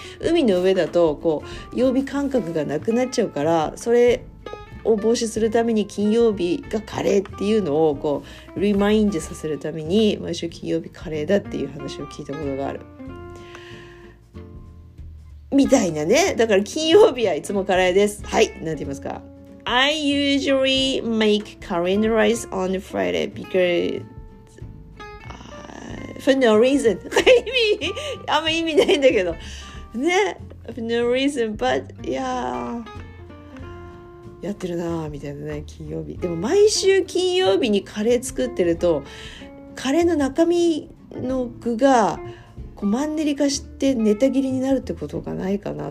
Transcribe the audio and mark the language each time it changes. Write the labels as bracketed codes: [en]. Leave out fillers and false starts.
[ja] 海の上だとこう曜日感覚がなくなっちゃうから、それを防止するために金曜日がカレーっていうのをこうリマインドさせるために毎週金曜日カレーだっていう話を聞いたことがあるみたいなね。だから金曜日はいつもカレーです。はい、なんて言いますか。 [en] I usually make curry and rice on Friday because for no reason. [ja] 意味、あんま意味ないんだけどね。 [en] For no reason, but yeah. [ja] やってるなみたいなね、金曜日。でも毎週金曜日にカレー作ってると、カレーの中身の具がこうマンネリ化してネタ切りになるってことがないかな。